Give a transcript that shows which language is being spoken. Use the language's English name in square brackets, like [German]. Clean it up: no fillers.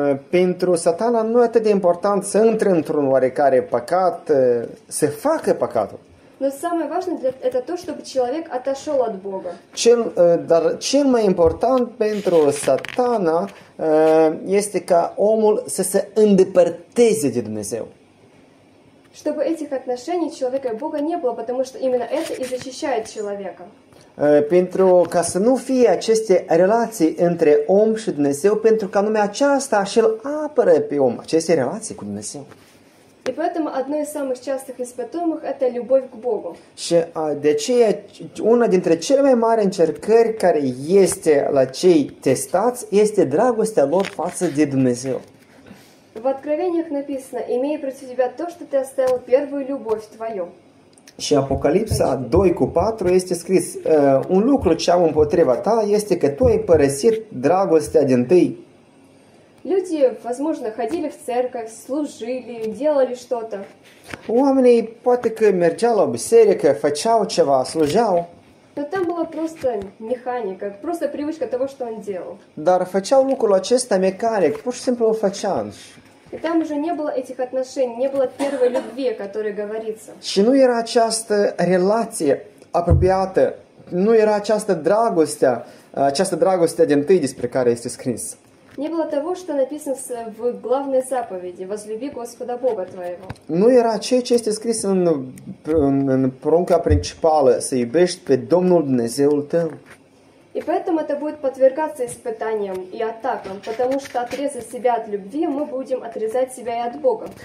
[Romanian] Pentru Satana nu e atât de important să intre într-un oarecare păcat, să facă păcatul. [Russian] Но самое важное для это то, чтобы человек отошел от Бога. Чем самое [Romanian] important pentru Satana este ca omul să se îndepărteze de Dumnezeu. [Russian] Чтобы этих отношений человека и Бога не было, потому что именно это и защищает человека. [Romanian] Pentru ca să nu fie aceste relații între om și Dumnezeu, pentru că anume aceasta și-l apără pe om, aceste relații cu Dumnezeu. [Russian] И поэтому одно из самых частых испытуемых – это любовь к Богу. [Romanian] Și de aceea, una dintre cele mai mari încercări care este la cei testați, este dragostea lor față de Dumnezeu. [Russian] В Откровениях написано: «Имею против тебя то, что ты оставил первую любовь твою». [Romanian] Și Apocalipsa 2:4 este scris: «Un lucru ce am împotriva ta este că tu ai părăsit dragostea din tâi». [Russian] Люди, возможно, ходили в церковь, служили, делали что-то. [Romanian] Oamenii poate că mergeau la biserică, făceau ceva, slujeau. [Russian] Но там была просто механика, просто привычка того, что он делал. [Romanian] Dar făceau lucrul acesta mecanic, pur și simplu făceau. [Russian] И там уже не было этих отношений, не было первой любви, о которой говорится. [Romanian] Și nu era această relație apropiată, nu era această dragoste din tâi despre care este scris. [Russian] Не было того, что написано в главной заповеди: «Возлюби Господа Бога твоего». [Romanian] Nu era ceea ce este scris în porunca principală: «Să iubești pe Domnul Dumnezeul tău». [Russian] И поэтому это будет подвергаться испытаниям и атакам, потому что отрезать себя от любви мы будем отрезать себя и от Бога.